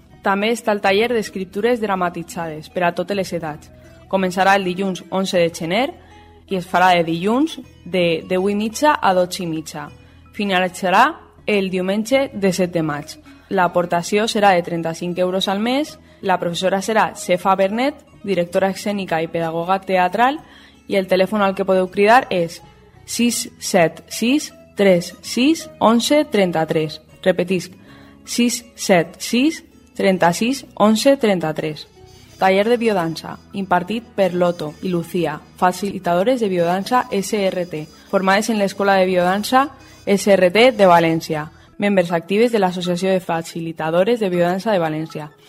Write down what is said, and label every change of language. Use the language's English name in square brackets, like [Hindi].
[Catalan] També està el taller d'escriptures dramatitzades per a totes les edats. Començarà el dilluns 11 de gener i es farà de dilluns de 10:30 a 12:30. Finalitzarà el diumenge de 7 de maig. L'aportació serà de 35 euros al mes. La professora serà Cefa Bernet [Spanish] directora escénica y pedagoga teatral, y el teléfono al que [Catalan] podeu cridar [Spanish] es 676-36-11-33. [Catalan] Repetís, 676-36-11-33. Taller de biodanza, impartit per Loto i Lucía, facilitadores de biodanza SRT, formades en l'Escola de Biodanza SRT de València, membres actives de l'Associació de Facilitadores de Biodanza de València.